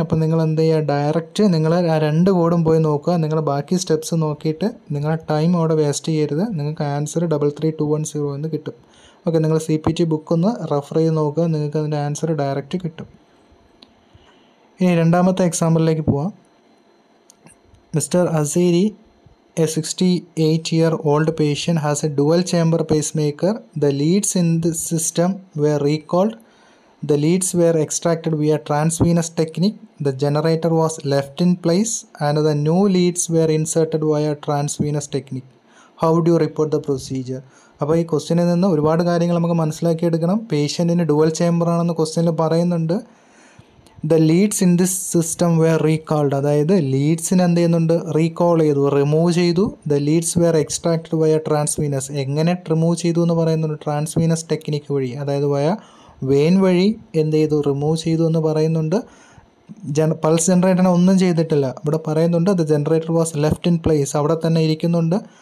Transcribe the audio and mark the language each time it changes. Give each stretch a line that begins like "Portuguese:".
Malayalam: അപ്പോൾ നിങ്ങൾ എന്ത് ചെയ്യുക, ഡയറക്റ്റ് നിങ്ങൾ ആ രണ്ട് കോഡും പോയി നോക്കുക. നിങ്ങൾ ബാക്കി സ്റ്റെപ്സ് നോക്കിയിട്ട് നിങ്ങളുടെ ടൈം അവിടെ വേസ്റ്റ് ചെയ്യരുത്, നിങ്ങൾക്ക് ആൻസർ 3210 എന്ന് കിട്ടും. ഓക്കെ, നിങ്ങൾ സി പി ടി ബുക്ക് ഒന്ന് റെഫർ ചെയ്ത് നോക്കുക, നിങ്ങൾക്ക് അതിൻ്റെ ആൻസർ ഡയറക്റ്റ് കിട്ടും. ഇനി രണ്ടാമത്തെ എക്സാമ്പിളിലേക്ക് പോവാം.
English: Mister Asiri, a 68-year-old patient has a dual chamber pacemaker. The leads in the system were recalled. The leads were extracted via transvenous technique. The generator was left in place and the new leads were inserted via transvenous technique. How do you report the procedure?
Malayalam: അപ്പോൾ ഈ ക്വസ്റ്റ്യനിൽ നിന്ന് ഒരുപാട് കാര്യങ്ങൾ നമുക്ക് മനസ്സിലാക്കിയെടുക്കണം. പേഷ്യൻറ്റിന് dual chamber ആണെന്ന് ക്വസ്റ്റ്യനിൽ പറയുന്നുണ്ട്.
English: The leads in this system were recalled.
Malayalam: അതായത് ലീഡ്സിന് എന്ത് ചെയ്യുന്നുണ്ട്, റീകോൾ ചെയ്തു, റിമൂവ് ചെയ്തു.
English: The leads were extracted via transvenous.
Malayalam: എങ്ങനെ റിമൂവ് ചെയ്തു എന്ന് പറയുന്നുണ്ട്, ട്രാൻസ്വീനസ് ടെക്നിക്ക് വഴി, അതായത് വയ വെയിൻ വഴി എന്ത് ചെയ്തു, റിമൂവ് ചെയ്തു എന്ന് പറയുന്നുണ്ട്. പൾസ് ജനറേറ്ററിനെ ഒന്നും ചെയ്തിട്ടില്ല, ഇവിടെ പറയുന്നുണ്ട്
English: the generator was left in place,
Malayalam: അവിടെ തന്നെ ഇരിക്കുന്നുണ്ട്.